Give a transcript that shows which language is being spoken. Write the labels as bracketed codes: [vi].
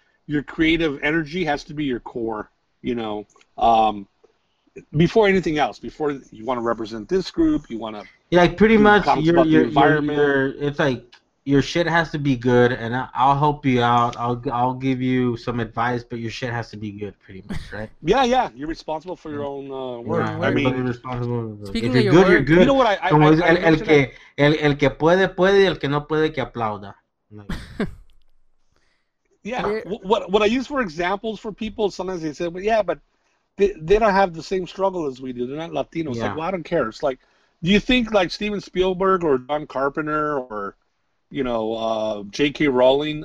[en] Your creative energy has to be your core, you know, before anything else, before you want to represent this group, you want to... Yeah, like pretty much, your environment. It's like your shit has to be good, and I'll help you out. I'll give you some advice, but your shit has to be good pretty much, right? Yeah. You're responsible for your own work. Yeah, everybody's responsible. Speaking of your work, good, you know what I mentioned? [es] El que puede, puede, y el que no puede, que aplauda. [en] Like, yeah, what I use for examples for people, sometimes they say, but they don't have the same struggle as we do. They're not Latinos. Yeah. Like, well, I don't care. It's like, do you think like Steven Spielberg or John Carpenter or, you know, J.K. Rowling?